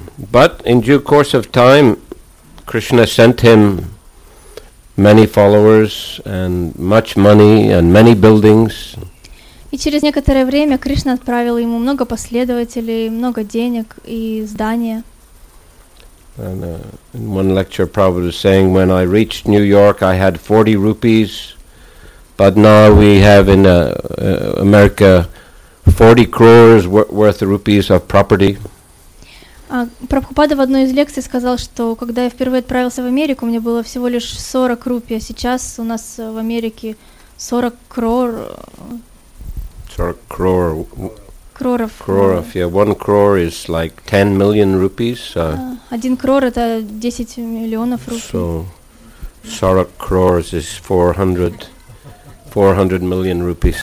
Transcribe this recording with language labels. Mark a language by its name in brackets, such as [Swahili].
[English] But in due course of time, Krishna sent him many followers and much money and many buildings. [Russian] И через некоторое время Кришна отправил ему много последователей, много денег и здания. [English] And in one lecture, Prabhupada was saying, when I reached New York, I had 40 rupees, but now we have in America 40 crores worth of rupees of property. [Russian] Прабхупада в одной из лекций сказал, что когда я впервые отправился в Америку, у меня было всего лишь 40 рупий, а сейчас у нас в Америке 40 крор. 40 крор. Кроров. [English] Кроров, yeah. One crore is like 10 million rupees. [Russian] Один крор – это 10 миллионов рупий. [English] So, 40 crores is 400 million rupees.